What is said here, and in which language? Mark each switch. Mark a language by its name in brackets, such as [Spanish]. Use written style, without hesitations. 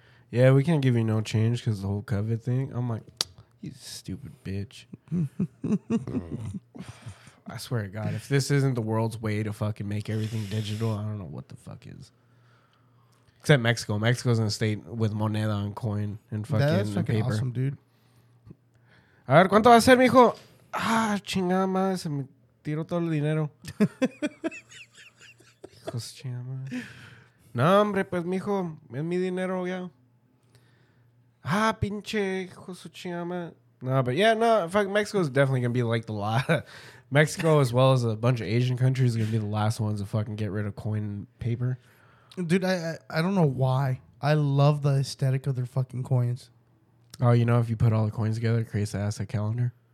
[English] Yeah, we can't give you no change because the whole COVID thing. I'm like, you stupid bitch. I swear to God, if this isn't the world's way to fucking make everything digital, I don't know what the fuck is. Except Mexico. Mexico's in a state with moneda and coin and fucking paper. That's fucking paper. Awesome, dude. [Spanish] A ver, ¿cuánto va a ser, mijo? Ah, chingada madre, se me tiró todo el dinero. No, hombre, pues, mijo, es mi dinero, ya. Ah, pinche, hijo su chingama. [English] No, but yeah, no, fuck, Mexico is definitely going to be like the last. Mexico, as well as a bunch of Asian countries, are going to be the last ones to fucking get rid of coin paper. Dude, I don't know why. I love the aesthetic of their fucking coins. Oh, you know, if you put all the coins together, it creates the asset calendar.